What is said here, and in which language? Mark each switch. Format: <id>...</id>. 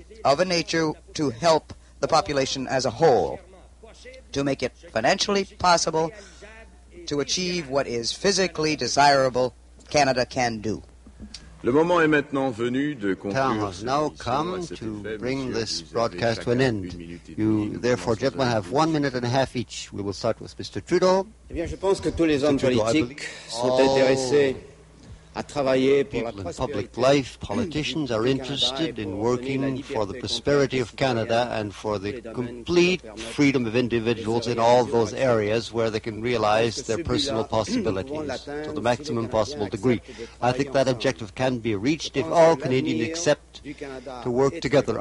<en>of a nature to help the population as a whole, to make it financially possible to achieve what is physically desirable, Canada can do.</en> <fr>Le moment est maintenant venu de conclure.</fr> <en>Time has now come to bring this broadcast to an end. You therefore, gentlemen, have 1 minute and a half each. We will start with Mr. Trudeau.</en> <fr>Eh bien, je pense que tous les hommes politiques sont intéressés à travailler pour la prospérité.</fr> <en>People in public life, politicians are interested in working for the prosperity of Canada and for the complete freedom of individuals in all those areas where they can realize their personal possibilities to the maximum possible degree. I think that objective can be reached if all Canadians accept to work together.</en>